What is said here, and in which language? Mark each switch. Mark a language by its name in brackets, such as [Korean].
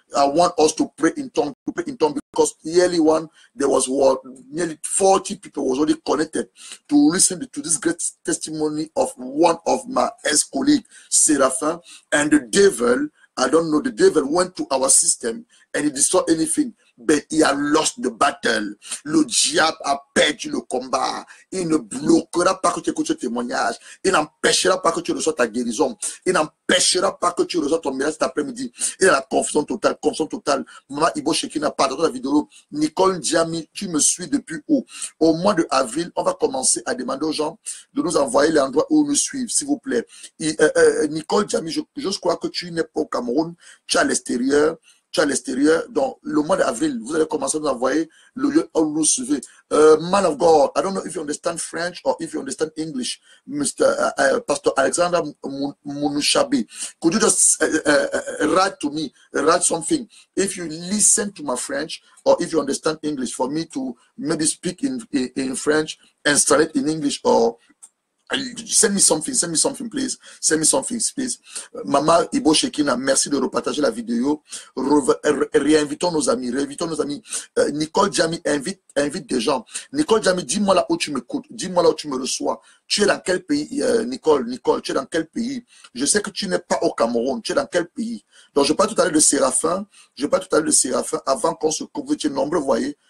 [English] I want us to pray in tongues because nearly one, there was what, nearly 40 people was already connected to listen to this great testimony of one of my ex-colleagues, Séraphin, and the devil, I don't know, the devil went to our system and he destroyed anything. [French] Mais il a [English] lost the battle. [French] Le diable a perdu le combat. Il ne bloquera pas que tu écoutes ce témoignage. Il n'empêchera pas que tu reçois ta guérison. Il n'empêchera pas que tu reçois ton miracle cet après-midi. Il y a la confusion totale, confusion totale. Maman Ibo Shekina, pardonne la vidéo. Nicole Diami, tu me suis depuis où? Au mois d'avril, on va commencer à demander aux gens de nous envoyer les endroits où nous suivre, s'il vous plaît. Nicole Diami, je crois que tu n'es pas au Cameroun. Tu es à l'extérieur. À l'extérieur, donc le mois d'avril, vous allez commencer à nous envoyer le lieu où nous suivez. [English] Man of God, I don't know if you understand French or if you understand English, Mr. Pastor Alexander Mounouchabi. Could you just write to me, write something? If you listen to my French or if you understand English, for me to maybe speak in French and translate in English or send me something, please. Send me something, please. [French] Maman Ibo Shekina, merci de repartager la vidéo. Réinvitons nos amis, réinvitons nos amis. Nicole Diami, invite des gens. Nicole Diami, dis-moi là où tu m'écoutes, dis-moi là où tu me reçois. Tu es dans quel pays, Nicole, tu es dans quel pays? Je sais que tu n'es pas au Cameroun, tu es dans quel pays? Donc, je parle tout à l'heure de Séraphin, je parle tout à l'heure de Séraphin, avant qu'on se couvre, tu es nombreux, vous voyez,